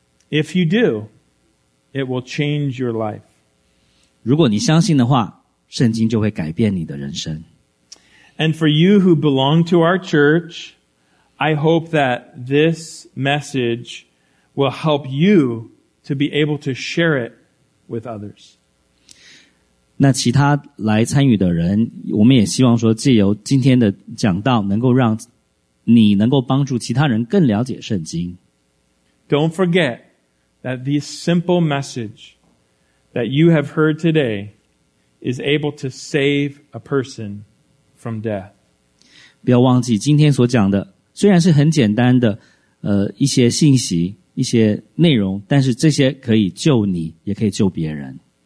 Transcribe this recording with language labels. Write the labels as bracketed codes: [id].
[en] If you do, it will change your life. [zh] 如果你相信的话，圣经就会改变你的人生。 [en] And for you who belong to our church, I hope that this message will help you to be able to share it with others. [zh] 那其他来参与的人，我们也希望说借由今天的讲道能够让你能够帮助其他人更了解圣经。 [en] Don't forget that this simple message that you have heard today is able to save a person from death. [zh] 不要忘记今天所讲的虽然是很简单的一些信息，一些内容，但是这些可以救你，也可以救别人。